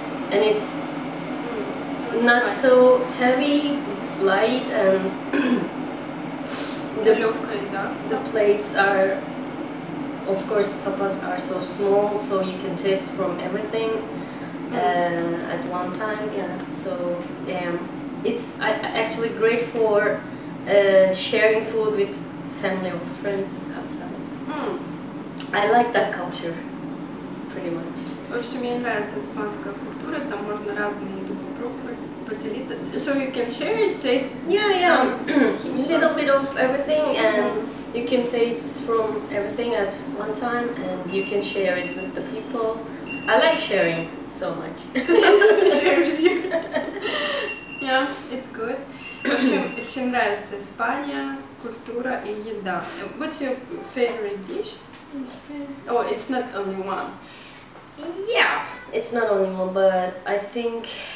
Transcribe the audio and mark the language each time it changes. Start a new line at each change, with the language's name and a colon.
English: And it's not so heavy, it's light and the plates are, of course, tapas are so small, so you can taste from everything at one time, yeah, so it's actually great for sharing food with family or friends outside. I like that culture, pretty much.
Russian: В общем, мне нравится испанская культура, там можно разные еду
English: Patelitsa. So you can share your taste. Yeah, yeah. A little bit of everything, and you can taste from everything at one time, and you can share it with the people. I like sharing so much. Share with you. Yeah, it's good.
Russian: В общем, чем нравится Испания, культура и еда.
English: What's your favorite dish? Oh, it's not only one. Yeah, it's not only one, but I think...